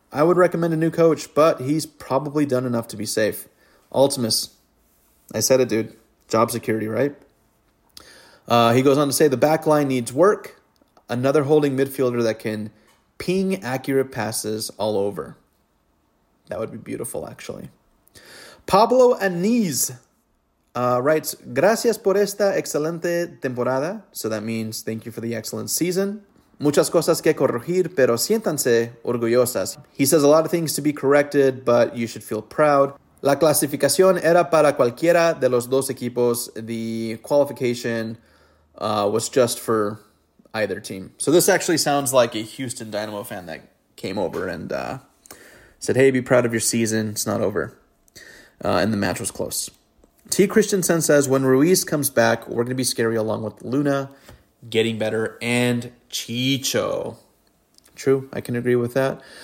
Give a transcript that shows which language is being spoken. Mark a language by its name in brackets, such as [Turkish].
[English] I would recommend a new coach, but he's probably done enough to be safe. Ultimus. I said it, dude. Job security, right? He goes on to say, the back line needs work. Another holding midfielder that can ping accurate passes all over. That would be beautiful, actually. Pablo Aniz. Writes, [Spanish] gracias por esta excelente temporada. [English] So that means thank you for the excellent season. [Spanish] Muchas cosas que corregir, pero siéntanse orgullosas. [English] He says a lot of things to be corrected, but you should feel proud. [Spanish] La clasificación era para cualquiera de los dos equipos. [English] The qualification was just for either team. So this actually sounds like a Houston Dynamo fan that came over and said, hey, be proud of your season. It's not over. And the match was close. T. Christensen says, when Ruiz comes back, we're going to be scary along with Luna getting better and Chicho. True. I can agree with that.